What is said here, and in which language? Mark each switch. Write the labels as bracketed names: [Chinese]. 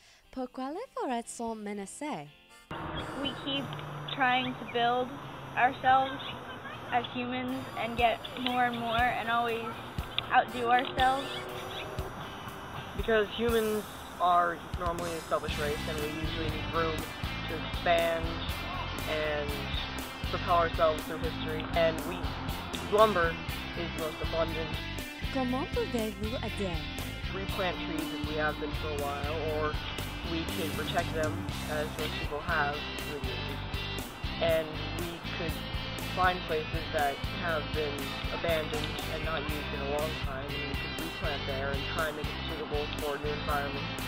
[French] Pourquoi les forêts sont menacées? [English] We keep trying to build ourselves as humans and get more and more and always outdo ourselves. Because humans are normally a selfish race and we usually need room to expand and propel ourselves through history, and lumber is most abundant. [French] Comment pouvez-vous aider? [English] We plant trees as we have been for a while, or we can protect them as most people have through the years. And we could find places that have been abandoned and not used in a long time, and we could replant there and try and make it suitable for new environments.